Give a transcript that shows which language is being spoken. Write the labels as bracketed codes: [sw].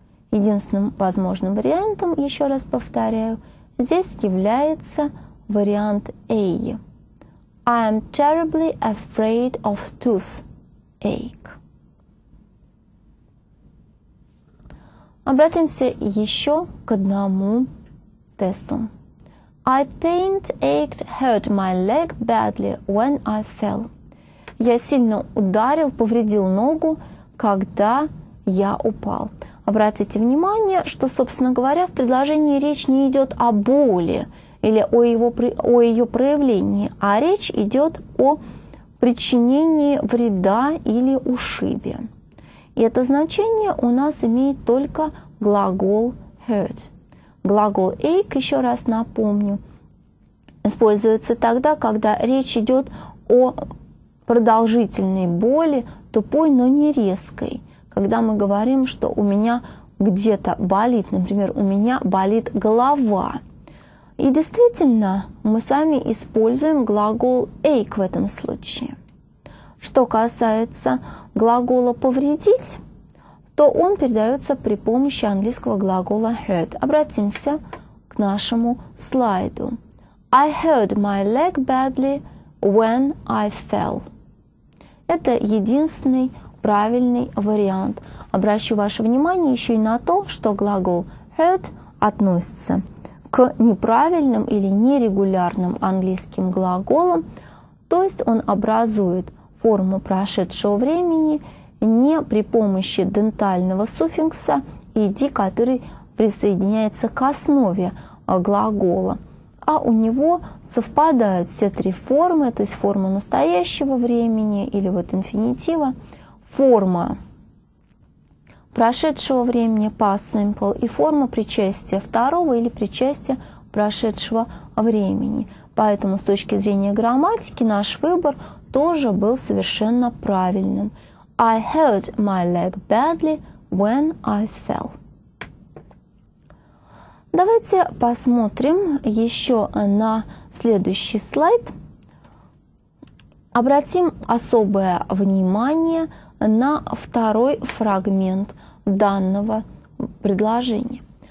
[ru] Единственным возможным вариантом, еще раз повторяю, здесь является вариант A. [en] I am terribly afraid of toothache. [ru] Обратимся еще к одному тесту. [en] I pained, ached, hurt my leg badly when I fell. [ru] Я сильно ударил, повредил ногу, когда я упал. Обратите внимание, что, собственно говоря, в предложении речь не идет о боли. или о ее проявлении, а речь идет о причинении вреда или ушибе. И это значение у нас имеет только глагол hurt. Глагол ache, еще раз напомню, используется тогда, когда речь идет о продолжительной боли, тупой, но не резкой. Когда мы говорим, что у меня где-то болит, например, у меня болит голова. И действительно, мы с вами используем глагол ache в этом случае. Что касается глагола повредить, то он передается при помощи английского глагола hurt. Обратимся к нашему слайду. [en] I hurt my leg badly when I fell. [ru] Это единственный правильный вариант. Обращу ваше внимание еще и на то, что глагол hurt относится к неправильным или нерегулярным английским глаголам, то есть он образует форму прошедшего времени не при помощи дентального суффикса ed, который присоединяется к основе глагола, а у него совпадают все три формы, то есть форма настоящего времени или вот инфинитива, форма прошедшего времени, past simple, и форма причастия второго или причастия прошедшего времени. Поэтому с точки зрения грамматики наш выбор тоже был совершенно правильным. [en] I hurt my leg badly when I fell. [ru] Давайте посмотрим еще на следующий слайд. Обратим особое внимание на второй фрагмент данного предложения.